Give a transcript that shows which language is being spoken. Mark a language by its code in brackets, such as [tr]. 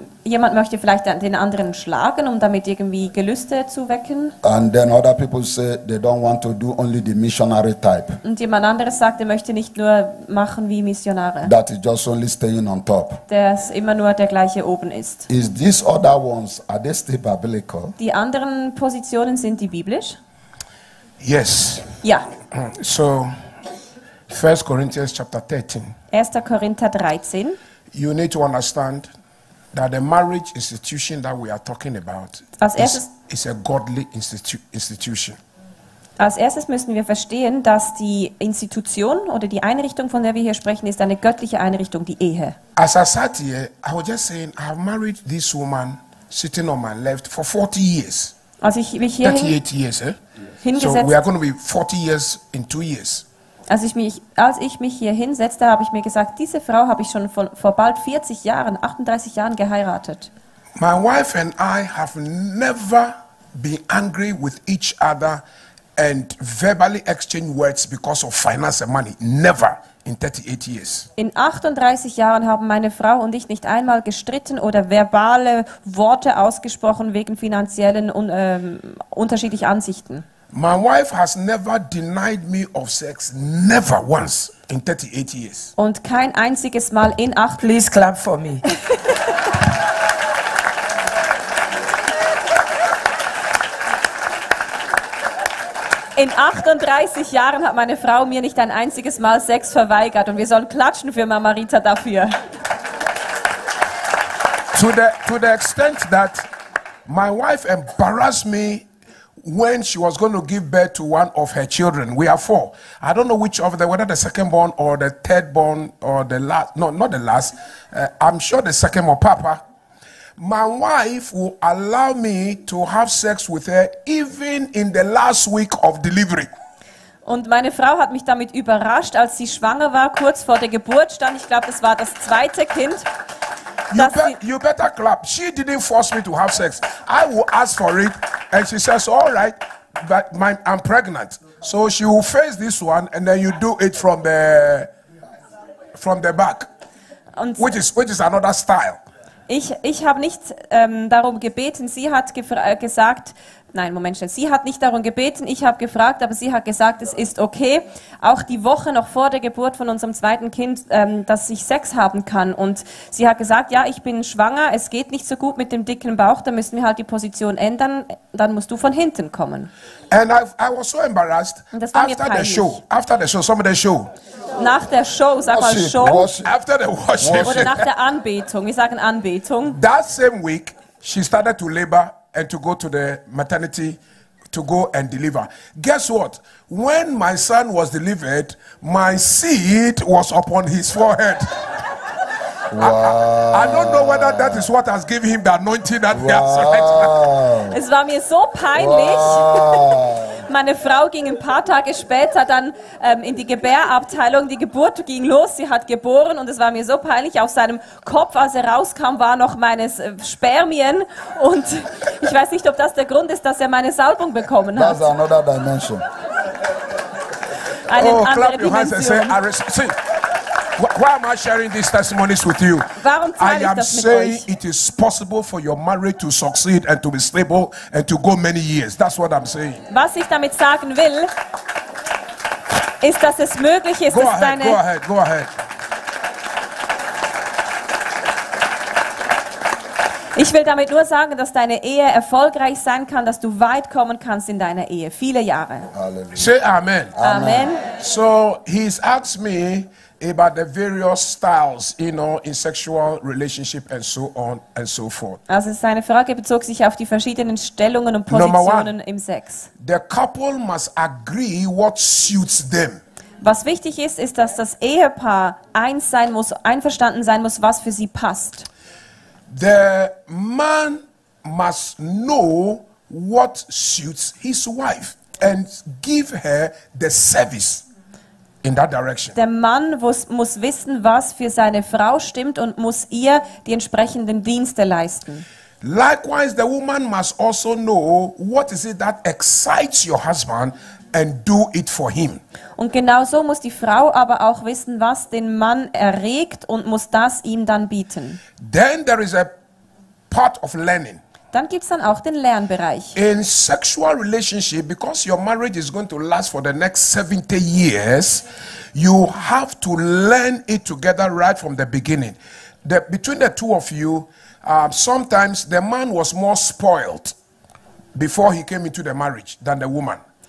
[de] Jemand möchte vielleicht den anderen schlagen, um damit irgendwie Gelüste zu wecken. [en] And then other people say they don't want to do only the missionary type. [de] Und jemand anderes sagt, er möchte nicht nur machen wie Missionare. [en] That is just only staying on top. [de] Der ist immer nur der gleiche oben ist. [en] Is these other ones, are they still biblical? [de] Die anderen Positionen, sind die biblisch? [en] Yes. [de] Ja. [en] So 1 Corinthians chapter 13. [de] 1. Korinther 13. [en] You need to understand that the marriage institution that we are talking about is a godly institution. [de] Als erstes müssen wir verstehen, dass die Institution oder die Einrichtung, von der wir hier sprechen, ist eine göttliche Einrichtung, die Ehe. [en] As I sat here, I was just saying, I have married this woman sitting on my left for 40 years. [de] Also ich mich hier [en] 38 years, eh? [de] Hingesetzt. [en] So we are going to be 40 years in 2 years. [de] Als ich mich hier hinsetzte, habe ich mir gesagt, diese Frau habe ich schon vor bald 40 Jahren, 38 Jahren geheiratet. [en] My wife and I have never been angry with each other and verbally exchanged words because of finance and money. Never in 38 years. [de] In 38 Jahren haben meine Frau und ich nicht einmal gestritten oder verbale Worte ausgesprochen wegen finanziellen und unterschiedlichen Ansichten. [en] My wife has never denied me of sex, never once in 38 years. [de] Und kein einziges Mal in 8. [en] Please clap for me. [de] In 38 Jahren hat meine Frau mir nicht ein einziges Mal Sex verweigert und wir sollen klatschen für Mama Rita dafür. [en] To the extent that my wife embarrassed me when she was going to give birth to one of her children. We are 4. I don't know which of them, whether the second born or the third born or the last. No, not the last. I'm sure the second one, Papa. My wife will allow me to have sex with her even in the last week of delivery. [de] Und meine Frau hat mich damit überrascht, als sie schwanger war, kurz vor der Geburt stand. Ich glaube, es war das zweite Kind. [en] You better clap. She didn't force me to have sex. I will ask for it. And she says, all right, but I'm pregnant. So she will face this one and then you do it from the back. [de] Und [en] which is another style. [de] Ich habe nicht darum gebeten. Sie hat gesagt, nein, Moment schnell. Sie hat nicht darum gebeten, ich habe gefragt, aber sie hat gesagt, es ist okay, auch die Woche noch vor der Geburt von unserem zweiten Kind, dass ich Sex haben kann. Und sie hat gesagt, ja, ich bin schwanger, es geht nicht so gut mit dem dicken Bauch, da müssen wir halt die Position ändern, dann musst du von hinten kommen. [en] And I was so embarrassed. [de] Und das war [en] after the show, after the show, some of the show. [de] Nach der Show, sag mal Show. [en] Worship. After the worship. [de] Oder nach der Anbetung, wir sagen Anbetung. [en] That same week, she started to labor and to go to the maternity to go and deliver. Guess what? When my son was delivered, my seed was upon his forehead. I don't know whether that is what has given him the anointing and the assignment. [de] Es war mir so peinlich. Meine Frau ging ein paar Tage später dann in die Gebärabteilung. Die Geburt ging los, sie hat geboren und es war mir so peinlich. Auf seinem Kopf, als er rauskam, war noch meine Spermien. Und ich weiß nicht, ob das der Grund ist, dass er meine Salbung bekommen hat. [en] That's another dimension. [de] Eine andere [en] clap your hands and say, see, why am I sharing these testimonies with you? [de] Warum teile [en] I am [de] ich das [en] saying [de] mit euch? [en] It is possible for your marriage to succeed and to be stable and to go many years. That's what I'm saying. [de] Was ich damit sagen will, ist, dass es möglich ist, [en] go [de] dass deine... [en] Go ahead, go ahead. [de] Ich will damit nur sagen, dass deine Ehe erfolgreich sein kann, dass du weit kommen kannst in deiner Ehe, viele Jahre. [en] Halleluja. Say amen. Amen. So he's asked me about the various styles, you know, in sexual relationship and so on and so forth. [de] Also seine Frage bezog sich auf die verschiedenen Stellungen und Positionen im Sex. [en] The couple must agree what suits them. [de] Was wichtig ist, ist, dass das Ehepaar eins sein muss, einverstanden sein muss, was für sie passt. [en] The man must know what suits his wife and give her the service in that direction. [de] Der Mann muss wissen, was für seine Frau stimmt und muss ihr die entsprechenden Dienste leisten. [en] Likewise, the woman must also know what is it that excites your husband and do it for him. [de] Und genauso muss die Frau aber auch wissen, was den Mann erregt und muss das ihm dann bieten. [en] Then there is a part of learning. [de] Dann gibt's dann auch den Lernbereich. [en] In sexual relationship, because your marriage is going to last for the next 70 years, you have to learn it together right from the beginning. Between the two of you, sometimes the man was more spoiled before he came into the marriage than the woman.